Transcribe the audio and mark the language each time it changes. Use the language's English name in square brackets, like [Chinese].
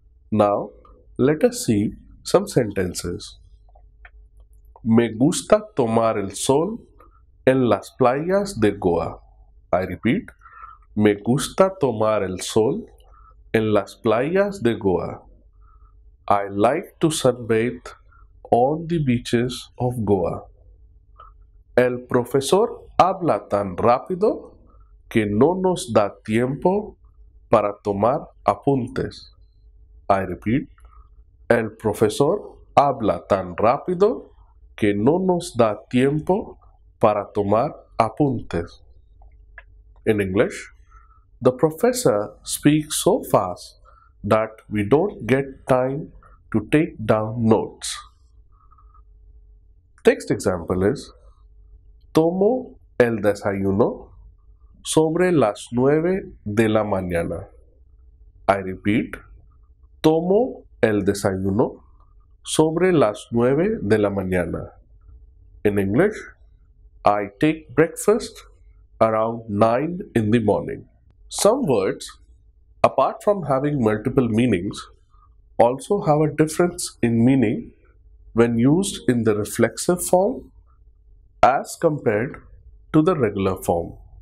[English] Now, let us see some sentences. [Spanish] Me gusta tomar el sol en las playas de Goa. [English] I repeat. [Spanish] Me gusta tomar el sol en las playas de Goa. [English] I like to sunbathe on the beaches of Goa. [Spanish] El profesor habla tan rápido que no nos da tiempo para tomar apuntes. [English] I repeat. [Spanish] El profesor habla tan rápido que no nos da tiempo para tomar apuntes. [English] In English, the professor speaks so fast that we don't get time to take down notes. Text example is, [Spanish] tomo el desayuno sobre las 9 de la mañana. [English] I repeat, [Spanish] tomo el desayuno sobre las 9 de la mañana. [English] In English, I take breakfast around 9 in the morning. Some words, apart from having multiple meanings, also have a difference in meaning when used in the reflexive form as compared to the regular form.